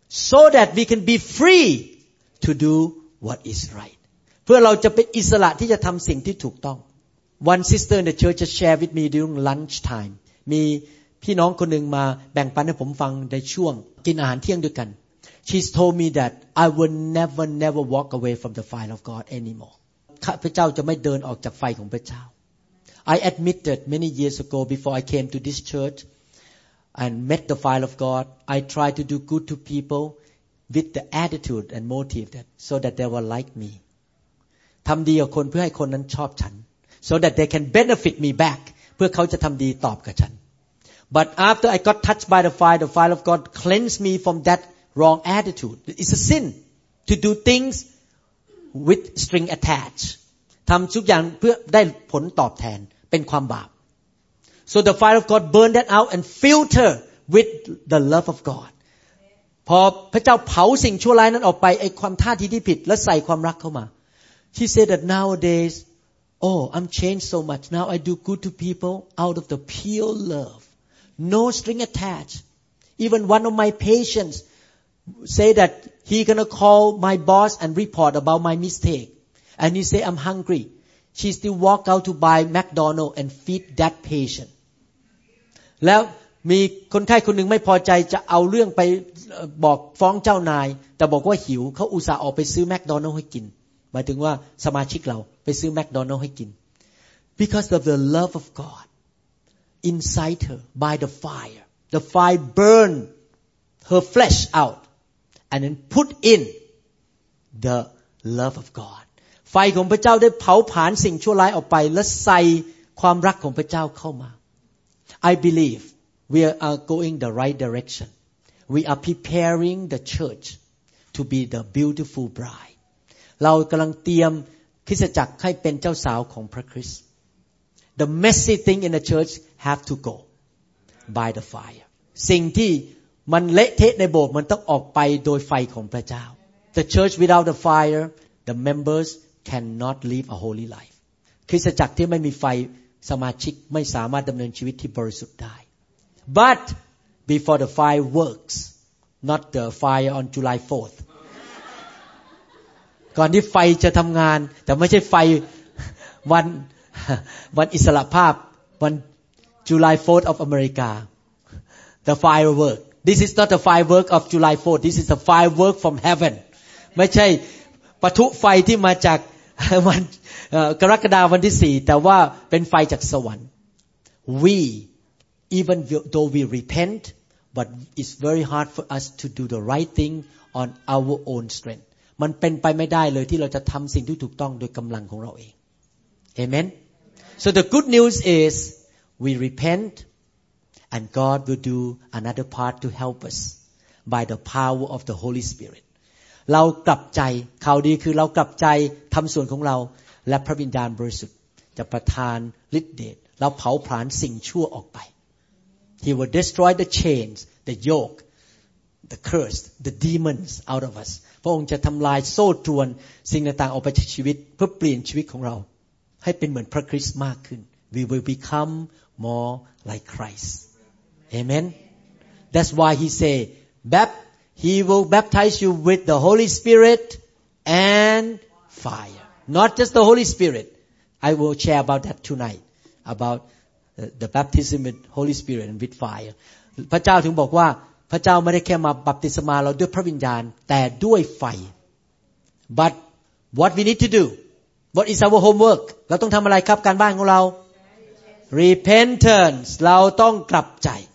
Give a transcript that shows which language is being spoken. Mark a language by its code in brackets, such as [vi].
[en] so that we can be free to do what is right [th] เพื่อเราจะเป็นอิสระที่จะทำสิ่งที่ถูกต้อง [en] one sister in the church just share with me during lunch time [th] มีพี่น้องคนหนึ่งมาแบ่งปันให้ผมฟังในช่วงกินอาหารเที่ยงด้วยกัน [en] she's told me that I will never walk away from the fire of God anymore. [th] พระเจ้าจะไม่เดินออกจากไฟของพระเจ้า [en] I admitted many years ago before I came to this church and met the fire of God. I tried to do good to people with the attitude and motive that so that they will like me. [th] ทำดีกับคนเพื่อให้คนนั้นชอบฉัน [en] so that they can benefit me back [th] เพื่อเขาจะทำดีตอบกับฉัน [en] But after I got touched by the fire of God cleansed me from that wrong attitude. It's a sin to do things with string attached. [th] ทำทุกอย่างเพื่อได้ผลตอบแทนเป็นความบาป [en] So the fire of God burned that out and filtered with the love of God. [th] พอพระเจ้าเผาสิ่งชั่วร้ายนั้นออกไปไอ้ความท่าทีที่ผิดแล้วใส่ความรักเข้ามา [en] She said that nowadays, oh, I'm changed so much. Now I do good to people out of the pure love. No string attached. Even one of my patients say that he gonna call my boss and report about my mistake. And he say I'm hungry. She still walk out to buy McDonald's and feed that patient. [th] แล้วมีคนไข้คนหนึ่งไม่พอใจจะเอาเรื่องไปบอกฟ้องเจ้านายแต่บอกว่าหิวเขาอุตส่าห์ออกไปซื้อ McDonald's ให้กินหมายถึงว่าสมาชิกเราไปซื้อ McDonald's ให้กิน [en] Because of the love of GodInside her by the fire. The fire burned her flesh out and then put in the love of God. [th] ไฟของพระเจ้าได้เผาผลาญสิ่งชั่วร้ายออกไปและใส่ความรักของพระเจ้าเข้ามา [en] I believe we are going the right direction. We are preparing the church to be the beautiful bride. [th] เรากำลังเตรียมคริสตจักรให้เป็นเจ้าสาวของพระคริสต์ [en] The messy thing in the churchHave to go by the fire. [th] สิ่งที่มันเละเทะในโบสถ์มันต้องออกไปโดยไฟของพระเจ้า [en] The church without the fire, the members cannot live a holy life. [th] คริสตจักรที่ไม่มีไฟสมาชิกไม่สามารถดำเนินชีวิตที่บริสุทธิ์ได้ [en] But before the fire works, not the fire on July 4th. [th] ก่อนที่ไฟจะทำงานแต่ไม่ใช่ไฟวันอิสรภาพวัน [en] July 4th of America, the firework. This is not the firework of July 4th. This is the firework from heaven. [th] ไม่ใช่ปะทุไฟที่มาจากวันกรกฎาคมวันที่สี่แต่ว่าเป็นไฟจากสวรรค์ [en] We, even though we repent, but it's very hard for us to do the right thing on our own strength. [th] มันเป็นไปไม่ได้เลยที่เราจะทำสิ่งที่ถูกต้องโดยกำลังของเราเอง Amen. [en] So the good news is. We repent, and God will do another part to help us by the power of the Holy Spirit. [th] เรากลับใจข่าวดีคือเรากลับใจทำส่วนของเราและพระวิญญาณบริสุทธิ์จะประทานฤทธิ์เดชเราเผาผลาญสิ่งชั่วออกไป [en] He will destroy the chains, the yoke, the curse, the demons out of us. [th] พระองค์จะทำลายโซ่ตรวนสิ่งต่างๆออกไปจากชีวิตเพื่อเปลี่ยนชีวิตของเราให้เป็นเหมือนพระคริสต์มากขึ้น [en] We will become more like Christ. Amen. That's why he say, he will baptize you with the Holy Spirit and fire. Not just the Holy Spirit. I will share about that tonight. About the baptism with Holy Spirit and with fire. [th] พระเจ้าถึงบอกว่าพระเจ้าไม่ได้แค่มาบัพติศมาเราด้วยพระวิญญาณแต่ด้วยไฟ [en] But what we need to do? What is our homework? [th] เราต้องทำอะไรครับการบ้านของเราร epentance เราต้องกลับใจ